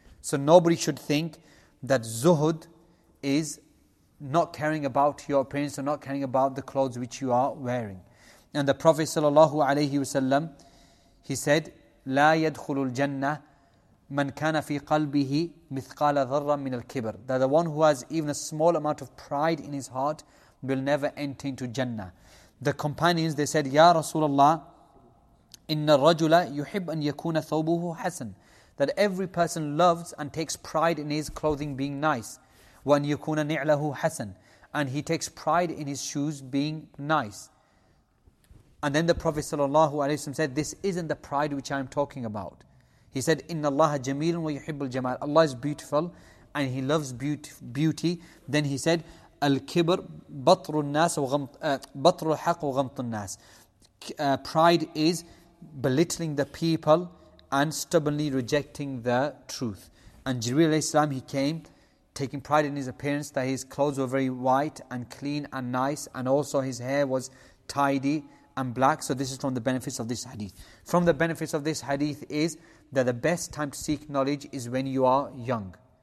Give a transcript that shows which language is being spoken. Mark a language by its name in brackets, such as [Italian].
[English] So nobody should think that zuhud is not caring about your appearance or not caring about the clothes which you are wearing. And the Prophet sallallahu alaihi wasallam, he said, [Arabic] لا يدخل الجنة من كان في قلبه مثقال ذرة من الكبر, [English] that the one who has even a small amount of pride in his heart will never enter into Jannah. The companions, they said, [Arabic] يا رسول الله إن الرجل يحب أن يكون ثوبه حسن, [English] that every person loves and takes pride in his clothing being nice. [Arabic] وَأَنْ يَكُونَ نِعْلَهُ حَسَنٌ. [English] And he takes pride in his shoes being nice. And then the Prophet sallallahu alaihi wasallam said, this isn't the pride which I'm talking about. He said, [Arabic] إِنَّ اللَّهَ جَمِيلٌ وَيُحِبُّ الْجَمَالِ. [English] Allah is beautiful and he loves beauty. Then he said, [Arabic] الْكِبْرُ بَطْرُ النَّاسِ بَطْرُ الْحَقُّ وَغَمْطُ النَّاسِ. [English] Pride is belittling the people and stubbornly rejecting the truth. And Jibreel alayhi salam, he came taking pride in his appearance, that his clothes were very white and clean and nice, and also his hair was tidy and black. So this is from the benefits of this hadith. From the benefits of this hadith is that the best time to seek knowledge is when you are young.